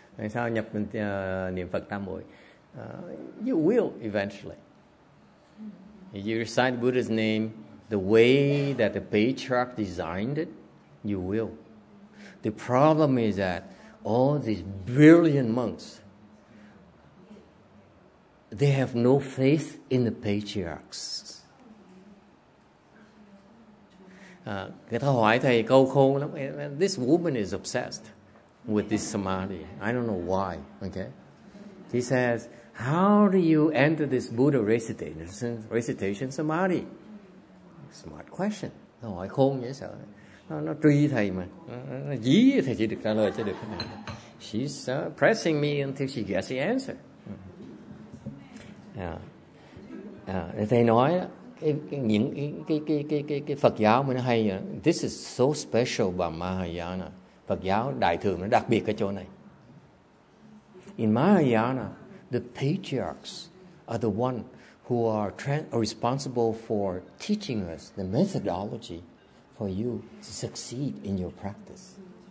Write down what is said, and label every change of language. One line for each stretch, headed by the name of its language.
Vietnamese: Sao nhập niệm Phật Tam Muội?
English: You will eventually. You recite Buddha's name the way that the patriarch designed it, you will. The problem is that all these brilliant monks, they have no faith in the patriarchs.
Vietnamese: Người ta hỏi thầy câu khôn lắm.
English: This woman is obsessed with this samadhi. I don't know why. Okay. She says, how do you enter this Buddha recitation samadhi? Smart question.
Vietnamese: Nó hỏi khôn dễ sợ. Nó truy thầy mà. Nó dí thầy chỉ được trả lời cho được.
English: She's pressing me until she gets the answer.
Vietnamese: Thầy nói những cái Phật giáo mà nó hay,
English: this is so special about Mahayana.
Vietnamese: Phật giáo đại thừa nó đặc biệt ở chỗ này.
English: In Mahayana, the patriarchs are the one who are responsible for teaching us the methodology for you to succeed in your practice.